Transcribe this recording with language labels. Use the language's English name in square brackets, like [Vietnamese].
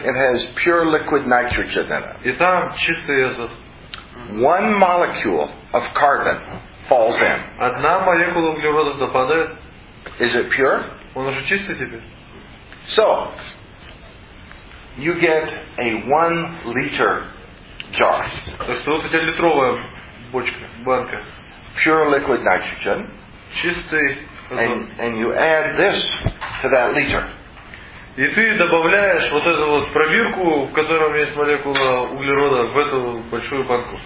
[English] It has pure liquid nitrogen in it. [Russian] И там чистый азот. [English] One molecule of carbon falls in. [Russian] Одна молекула углерода западает. [English] Is it pure? [Russian] Он уже чистый теперь. [English] So, you get a 1 liter jar. [Russian] То есть вот эта литровая бочка, банка. [English] Pure liquid nitrogen. [Russian] Чистый азот. [English] And you add this to that liter. [Russian] И ты добавляешь вот эту вот пробирку, в которой есть молекула углерода, в эту большую банку.